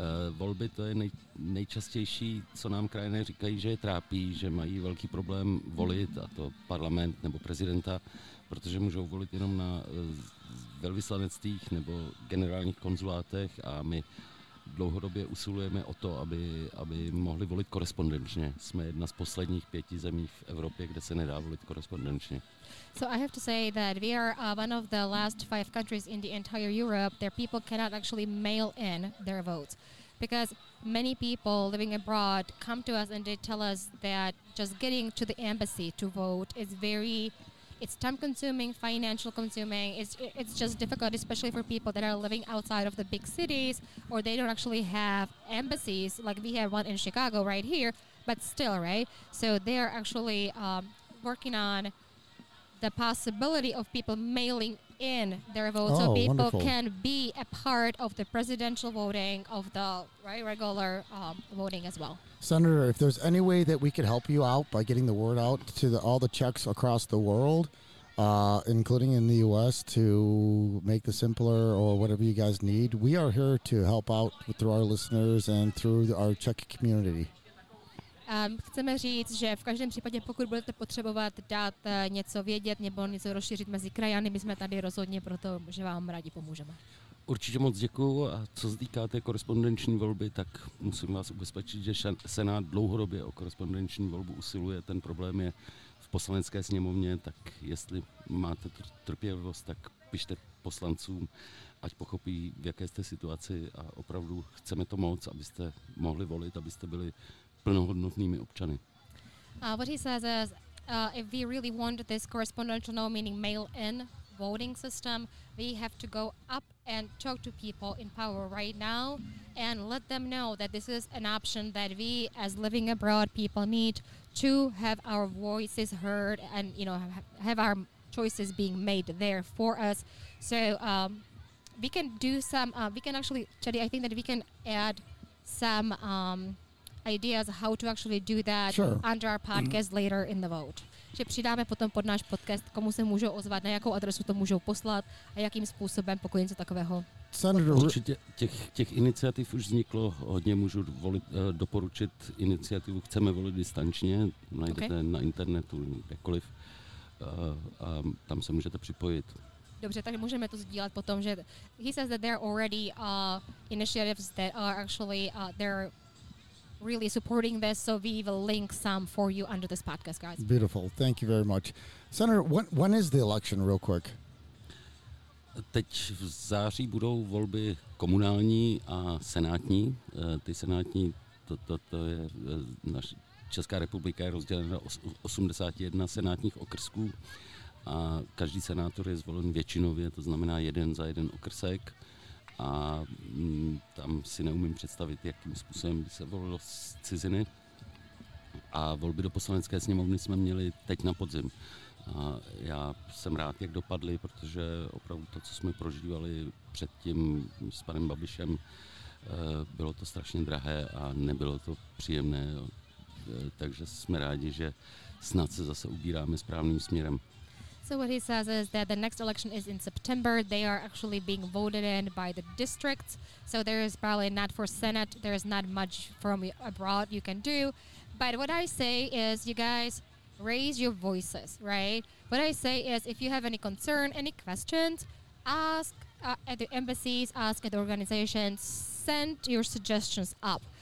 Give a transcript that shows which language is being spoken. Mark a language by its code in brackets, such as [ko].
[cs] volby, to je nejčastější, co nám krajané říkají, že je trápí, že mají velký problém volit, a to parlament nebo prezidenta, protože můžou volit jenom na velvyslanectvích nebo generálních konzulátech, a my dlouhodobě usilujeme o to, aby mohli volit korespondenčně. Jsme jedna z posledních pěti zemí v Evropě, kde se nedá volit korespondenčně. [en] So I have to say that we are one of the last five countries in the entire Europe where people cannot actually mail in their votes, because many people living abroad come to us and they tell us that just getting to the embassy to vote is very, it's time consuming, financial consuming, it's just difficult, especially for people that are living outside of the big cities, or they don't actually have embassies, like we have one in Chicago right here, but still, right? So they are actually working on the possibility of people mailing in their votes, oh, so people wonderful. Can be a part of the presidential voting, of the regular voting as well. Senator, if there's any way that we could help you out by getting the word out to all the Czechs across the world, including in the U.S., to make this simpler or whatever you guys need, we are here to help out through our listeners and through our Czech community. [cs] Chceme říct, že v každém případě, pokud budete potřebovat dát něco vědět nebo něco rozšířit mezi krajany, my jsme tady rozhodně proto, že vám rádi pomůžeme. Určitě moc děkuju, a co se týká té korespondenční volby, tak musím vás ubezpečit, že Senát dlouhodobě o korespondenční volbu usiluje. Ten problém je v poslanecké sněmovně, tak jestli máte trpělivost, tak pište poslancům, ať pochopí, v jaké jste situaci, a opravdu chceme to moc, abyste mohli volit, abyste byli plnohodnotnými občany. [en] What he says is, if we really want this correspondential, meaning mail-in voting system, we have to go up and talk to people in power right now and let them know that this is an option that we, as living abroad people, need to have our voices heard and, you know, have our choices being made there for us. So we can do some, we can actually, Chedi, I think that we can add some ideas how to actually do that, sure, under our podcast later in the vote. [cs] Že přidáme potom pod náš podcast, komu se můžou ozvat, na jakou adresu to můžou poslat a jakým způsobem, pokud něco takového. [en] Senator, [cs] určitě těch iniciativ už vzniklo hodně, můžu doporučit iniciativu Chceme volit distančně, najdete okay na internetu, kdekoliv, a tam se můžete připojit. Dobře, takže můžeme to sdílet potom, že [en] he says that there are already initiatives that are actually there really supporting this, so we will link some for you under this podcast, guys. Beautiful. Thank you very much. Senator, when is the election, real quick? [cs] Teď v září budou volby komunální a senátní. Ty senátní, to je, Česká republika je rozdělena do 81 senátních okrsků a každý senátor je zvolen většinově, to znamená jeden za jeden okrsek. a tam si neumím představit, jakým způsobem by se volilo z ciziny. A volby do poslanecké sněmovny jsme měli teď na podzim. A já jsem rád, jak dopadly, protože opravdu to, co jsme prožívali předtím s panem Babišem, bylo to strašně drahé a nebylo to příjemné. Takže jsme rádi, že snad se zase ubíráme správným směrem. [en] So what he says is that the next election is in September. They are actually being voted in by the districts. So there is probably not for Senate, there is not much from abroad you can do. But what I say is, you guys, raise your voices, right? What I say is, if you have any concern, any questions, ask at the embassies, ask at the organizations, send your suggestions up.